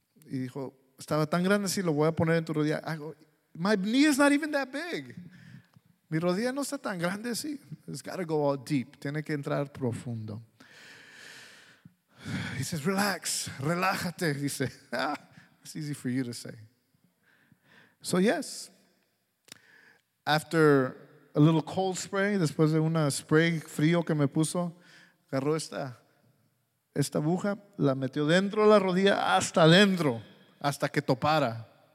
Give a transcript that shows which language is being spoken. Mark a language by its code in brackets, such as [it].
[es] Y dijo, estaba tan grande así, lo voy a poner en tu rodilla. [en] I go, my knee is not even that big. [es] Mi rodilla no está tan grande así. [en] It's got to go all deep. [es] Tiene que entrar profundo. [en] He says, relax. [es] Relájate. [en] Dice, it's easy for you to say. So yes, After a little cold spray, [es] después de una spray frío que me puso, agarró esta aguja, la metió dentro de la rodilla hasta adentro, hasta que topara.